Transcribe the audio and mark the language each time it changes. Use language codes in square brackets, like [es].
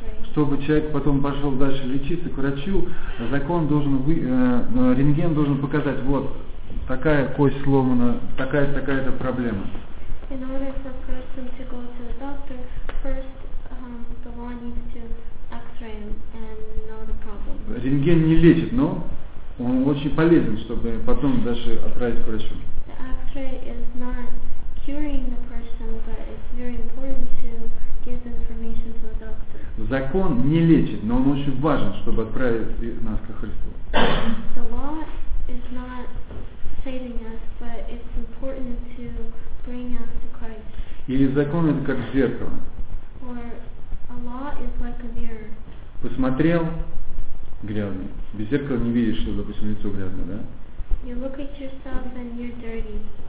[ru] Чтобы человек потом пошел дальше лечиться к врачу, закон должен рентген должен показать, вот, такая кость сломана, такая-то проблема. [en] In order for a person to go to the doctor, first the law needs to x-ray and know the problem. [ru] Рентген не лечит, но он очень полезен, чтобы потом даже отправить к врачу. [en] The x-ray is not curing the person, but it's very important to give the information to the doctor. [ru] Закон не лечит, но он очень важен, чтобы отправить нас ко Христу. [en] The law is not saving us, but it's important to bring us to Christ. [ru] Или закон это как зеркало. [en] Or a law is like a mirror. [ru] Посмотрел? Грязный. Без зеркала не видишь, что, допустим, лицо грязное, да? [en] You look at yourself and you're dirty.